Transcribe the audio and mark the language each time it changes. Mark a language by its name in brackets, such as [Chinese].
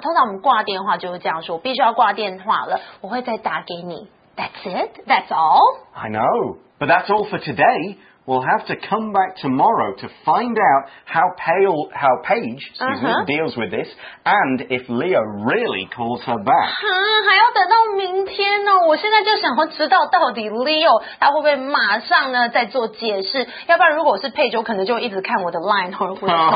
[Chinese] 通常我们挂电话就会这样说，我必须要挂电话了，我会再打给你。 [English] That's it? That's all? I know, but that's all for today. We'll have to come back tomorrow to find out how Paige deals with this and if Leo really calls her back. [Chinese] 还要等到明天呢、哦、我现在就想知道到底 Leo 他会不会马上呢再做解释，要不然如果我是 Paige 我可能就一直看我的 line 或者我的手机、